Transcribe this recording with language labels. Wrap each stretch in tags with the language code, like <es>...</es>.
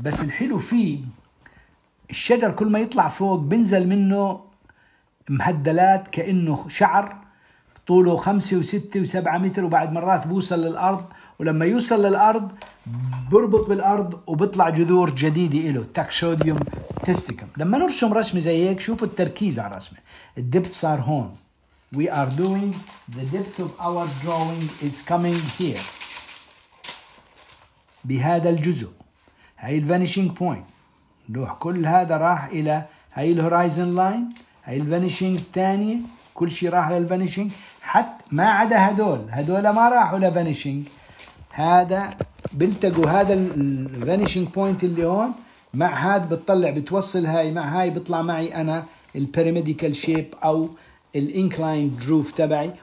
<ar>بس الحلو فيه الشجر كل ما يطلع فوق بنزل منه مهدلات كأنه شعر طوله 5 و6 و7 متر. وبعد مرات بوصل للأرض ولما يوصل للأرض بربط بالأرض وبطلع جذور جديدة له. تاكسوديوم تيستيكم. لما نرسم رسمة زي هيك شوفوا التركيز على الرسمة. الدبث صار هون.</ar> <en>We are doing the depth of our drawing is coming here.</en> <ar>بهذا الجزء. هاي الفانيشينج بوينت. نروح كل هذا راح إلى هاي الهورايزن لاين. هاي الفانيشينج الثانية. كل شيء راح للفانيشينج. حتى ما عدا هدول ما راحوا لفانيشينج. هذا بلتقوا هذا الفانيشينج بوينت اللي هون مع هاد بتطلع بتوصل هاي مع هاي بطلع معي انا البيراميديكال شيب او الانكلاين دروف تبعي.</ar>